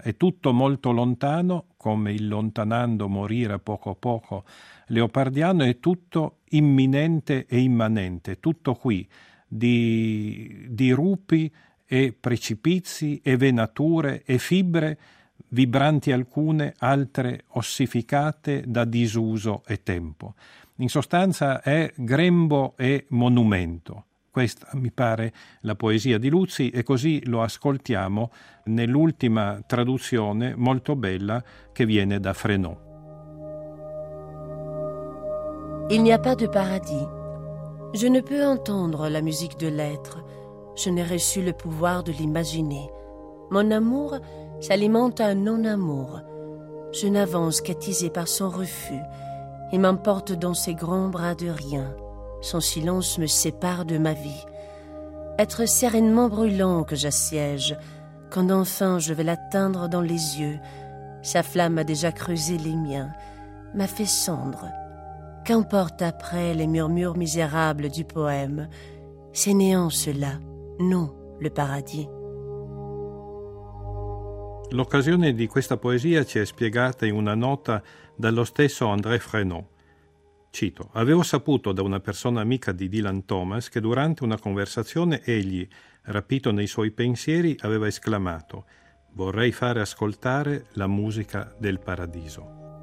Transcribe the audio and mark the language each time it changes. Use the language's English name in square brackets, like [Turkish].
[Italian] È tutto molto lontano, come il lontanando morire poco a poco leopardiano, è tutto imminente e immanente, tutto qui, di rupi e precipizi e venature e fibre, vibranti alcune, altre ossificate da disuso e tempo. In sostanza è grembo e monumento, Questa mi pare la poesia di Luzzi, e così lo ascoltiamo nell'ultima traduzione molto bella che viene da Freinet. [French] Il n'y a pas de paradis. Je ne peux entendre la musique de l'être. Je n'ai reçu le pouvoir de l'imaginer. Mon amour s'alimente à un non-amour. Je n'avance qu'attisé par son refus. Il m'emporte dans ses grands bras de rien. Son silence me sépare de ma vie. Être sereinement brûlant que j'assiège, quand enfin je vais l'atteindre dans les yeux, sa flamme a déjà creusé les miens, m'a fait cendre. Qu'importe après les murmures misérables du poème, c'est néant cela, non le paradis. [Italian] L'occasione di questa poesia ci è spiegata in una nota dallo stesso André Freinet. Cito, avevo saputo da una persona amica di Dylan Thomas che durante una conversazione egli, rapito nei suoi pensieri, aveva esclamato «Vorrei fare ascoltare la musica del paradiso».